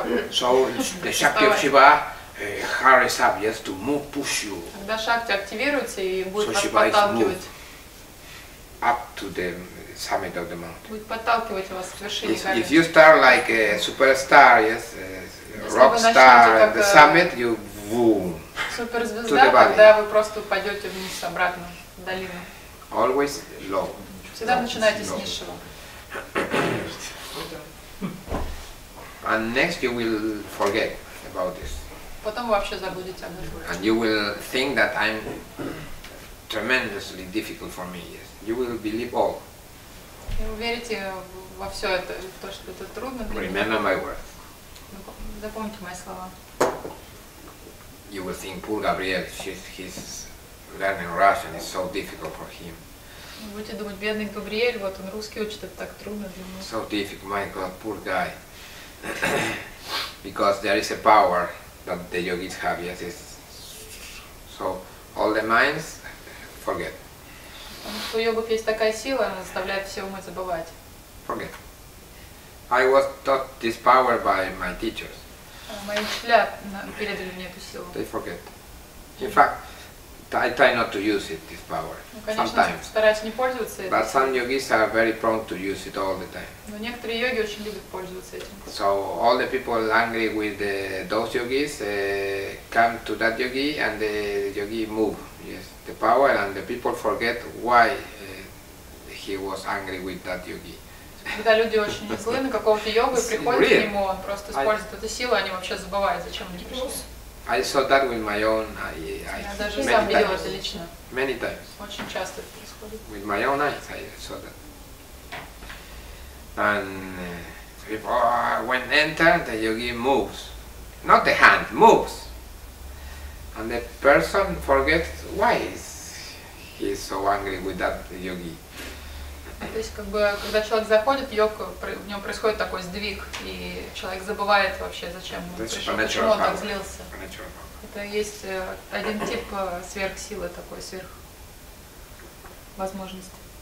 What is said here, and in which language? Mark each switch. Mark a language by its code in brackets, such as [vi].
[en] So the Shakti of Shiva hurries up, yes, to move, push you. [ru] Тогда Шакти активируется и будет вас подталкивать. [en] Up to the summit of the mountain. [ru] Будет подталкивать вас к вершине горы. [en] If you start like a superstar, yes, a rock star at the summit, you boom. [ru] Суперзвезда, тогда вы просто упадете вниз обратно. Долина. [en] Always low. [ru] Всегда начинайте с низшего. [en] And next you will forget about this. [ru] Потом вообще забудете об этом. [en] And you will think that I'm tremendously difficult for me. Yes. You will believe all. [ru] И вы верите во все это, в то, что это трудно для меня. [en] Remember my words. [ru] Запомните мои слова. [en] You will think poor Gabriel, he's learning Russian is so difficult for him. [ru] Будете думать, бедный Габриэль, вот он русский учит, это так трудно для него. [en] So difficult, my God, poor guy. Because there is a power that the yogis have, yes, it's so all the minds forget. [ru] Потому что у йогов есть такая сила, она заставляет все умы забывать. [en] Forget. I was taught this power by my teachers. [ru] Мои учителя передали мне эту силу. [en] They forget. In fact, I try not to use it, this power. Sometimes. [ru] Стараюсь не пользоваться этим. [en] But some yogis are very prone to use it all the time. [ru] Но некоторые йоги очень любят пользоваться этим. [en] So all the people angry with those yogis come to that yogi and the yogi move, yes, the power and the people forget why he was angry with that yogi. [ru] Когда люди очень злы на какого-то йогу и приходят к нему, он просто использует эту силу, они вообще забывают, зачем они пришли. [en] I saw that with my own eyes. [ru] Я даже [en] many [ru] сам [en] times. [ru] Видел это лично. [en] Many times. [ru] Очень часто это происходит. [en] With my own eyes I saw that. And people, when enter, the yogi moves. Not the hand, moves. And the person forgets why he is so angry with that yogi. [ru] То есть, как бы, когда человек заходит, йог, в нем происходит такой сдвиг, и человек забывает вообще, зачем он пришел, почему он так злился. Это есть один тип сверхсилы такой, сверхвозможности.